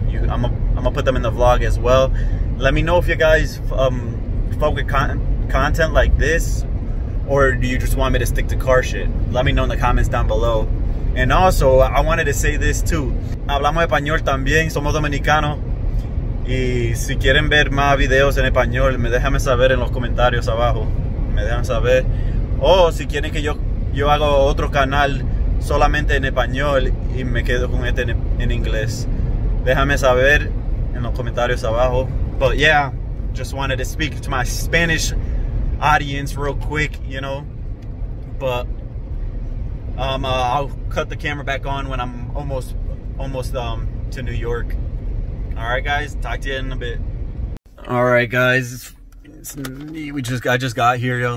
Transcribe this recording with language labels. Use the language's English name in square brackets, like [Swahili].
[English] I'm gonna put them in the vlog as well. Let me know if you guys fuck with content like this, or do you just want me to stick to car shit? Let me know in the comments down below. And also, I wanted to say this too. [Spanish] Hablamos español también, somos dominicanos. Y si quieren ver más videos en español, me déjame saber en los comentarios abajo. Me dejan saber. O si quieren que yo hago otro canal solamente en español y me quedo con este en inglés, déjame saber en los comentarios abajo. [English] But yeah, just wanted to speak to my Spanish audience real quick, you know. But I'll cut the camera back on when I'm almost to New York. All right, guys, talk to you in a bit. All right, guys, I just got here, yo.